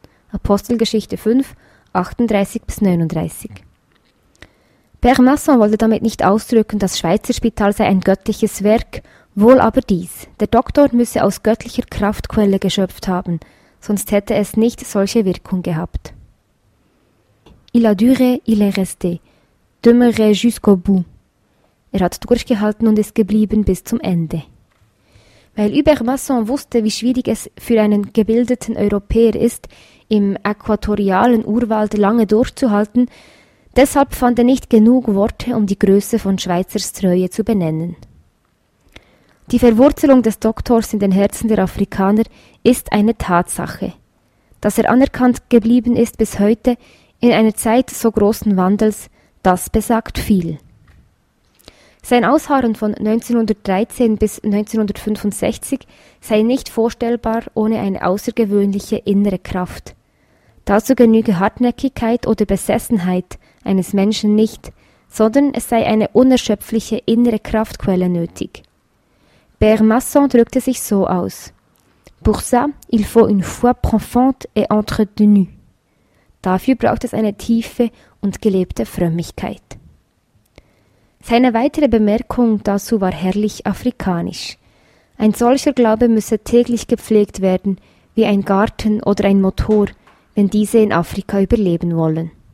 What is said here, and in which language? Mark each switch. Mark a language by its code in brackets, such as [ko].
[de] Apostelgeschichte 5, 38-39. Pierre Masson wollte damit nicht ausdrücken, das Schweizer Spital sei ein göttliches Werk, wohl aber dies: der Doktor müsse aus göttlicher Kraftquelle geschöpft haben, sonst hätte es nicht solche Wirkung gehabt. [fr] «Il a duré, il est resté, demeuré jusqu'au bout.» [de] Er hat durchgehalten und ist geblieben bis zum Ende. Weil Hubert Masson wusste, wie schwierig es für einen gebildeten Europäer ist, im äquatorialen Urwald lange durchzuhalten, deshalb fand er nicht genug Worte, um die Größe von Schweizers Treue zu benennen. Die Verwurzelung des Doktors in den Herzen der Afrikaner ist eine Tatsache. Dass er anerkannt geblieben ist bis heute, in einer Zeit so großen Wandels, das besagt viel. Sein Ausharren von 1913 bis 1965 sei nicht vorstellbar ohne eine außergewöhnliche innere Kraft. Dazu genüge Hartnäckigkeit oder Besessenheit, eines Menschen nicht, sondern es sei eine unerschöpfliche innere Kraftquelle nötig. Bermasson drückte sich so aus: [fr] Pour ça, il faut une foi profonde et entretenue. [de] Dafür braucht es eine tiefe und gelebte Frömmigkeit. Seine weitere Bemerkung dazu war herrlich afrikanisch. Ein solcher Glaube müsse täglich gepflegt werden, wie ein Garten oder ein Motor, wenn diese in Afrika überleben wollen.